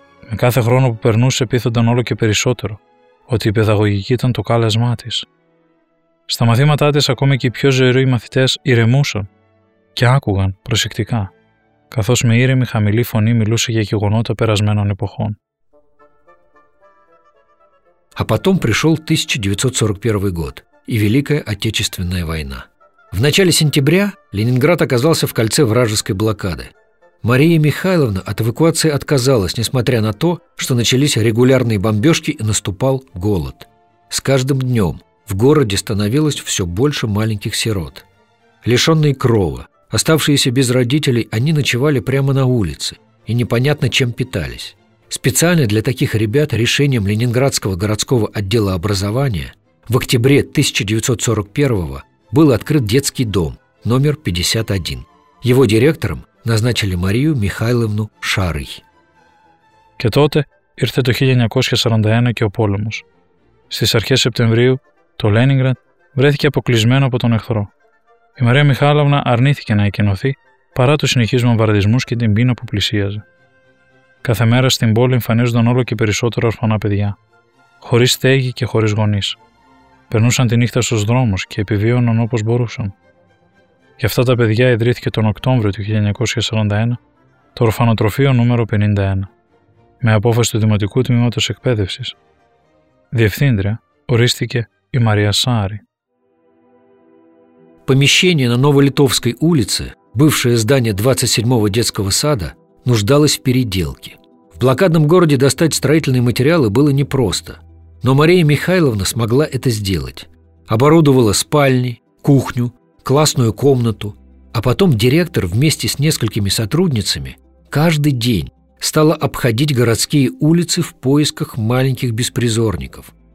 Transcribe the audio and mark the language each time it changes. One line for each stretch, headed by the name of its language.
Greek: Με κάθε χρόνο που περνούσε πείθονταν όλο και περισσότερο ότι η παιδαγωγική ήταν το κάλεσμά της. Στα μαθήματά της ακόμη και οι πιο ζωηροί μαθητές ηρεμούσαν και άκουγαν προσεκτικά, καθώς με ήρεμη χαμηλή φωνή μιλούσε για γεγονότα περασμένων εποχών.
Russian: А потом пришел 1941 год и Великая Отечественная война. В начале сентября Ленинград оказался в кольце вражеской блокады. Мария Михайловна от эвакуации отказалась, несмотря на то, что начались регулярные бомбежки и наступал голод. С каждым днем в городе становилось все больше маленьких сирот. Лишенные крова, оставшиеся без родителей, они ночевали прямо на улице и непонятно чем питались. Специально для таких ребят решением Ленинградского городского отдела образования в октябре 1941-го был открыт детский дом номер 51. Его директором назначили Марию Михайловну Шарый.
Greek: Και τότε ήρθε το 1941 και ο πόλεμος. Στις αρχές Σεπτεμβρίου το Λένιγκραντ βρέθηκε αποκλεισμένο από τον εχθρό. Η Μαρία Μιχάλαυνα αρνήθηκε να εκκαινωθεί παρά τους συνεχείς βομβαρδισμούς και την πείνα που πλησίαζε. Κάθε μέρα στην πόλη εμφανίζονταν όλο και περισσότερο ορφανά παιδιά, χωρίς στέγη και χωρίς γονείς. Περνούσαν τη νύχτα στους δρόμους και επιβίωναν όπως μπορούσαν. Για αυτά τα παιδιά ιδρύθηκε τον Οκτώβριο του 1941 το Ορφανοτροφείο νούμερο 51, με απόφαση του Δημοτικού Τμήματος Εκπαίδευσης. Διευθύντρια ορίστηκε η Μαρία Σάρη.
Russian: Помещение на Новолитовской улице, бывшее здание 27-го детского сада, нуждалось в переделке. В блокадном городе достать строительные материалы было непросто, но Мария Михайловна смогла это сделать. Оборудовала спальни, кухню, классную комнату, а потом директор вместе с несколькими сотрудницами каждый день стала обходить городские улицы в поисках маленьких беспризорников.